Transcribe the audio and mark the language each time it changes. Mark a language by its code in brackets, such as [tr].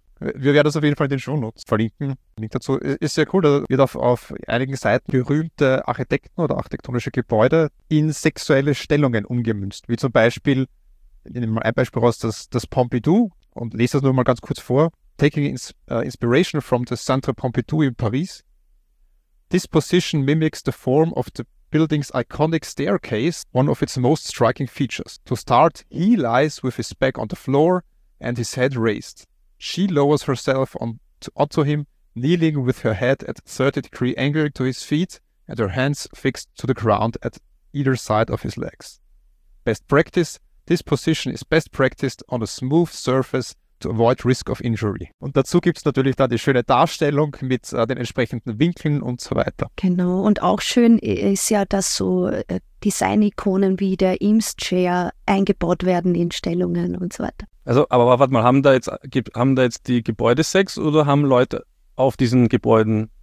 [de] Wir werden das auf jeden Fall in den Shownotes verlinken. Link dazu. Ist sehr cool, da wird auf einigen Seiten berühmte Architekten oder architektonische Gebäude in sexuelle Stellungen umgemünzt. Wie zum Beispiel, ich nehme mal ein Beispiel raus, das Pompidou, und lese das nur mal ganz kurz vor. [en] Taking inspiration from the Centre Pompidou in Paris, this position mimics the form of the building's iconic staircase, one of its most striking features. To start, he lies with his back on the floor and his head raised. She lowers herself onto him, kneeling with her head at a 30-degree angle to his feet and her hands fixed to the ground at either side of his legs. Best practice, this position is best practiced on a smooth surface to avoid risk of injury. [de] Und dazu gibt es natürlich dann die schöne Darstellung mit den entsprechenden Winkeln und so weiter. Genau, und auch schön ist ja, dass so Design-Ikonen wie der Eames-Chair eingebaut werden in Stellungen und so weiter. Also, aber warte mal, haben da jetzt die Gebäude Sex oder haben Leute auf diesen Gebäuden?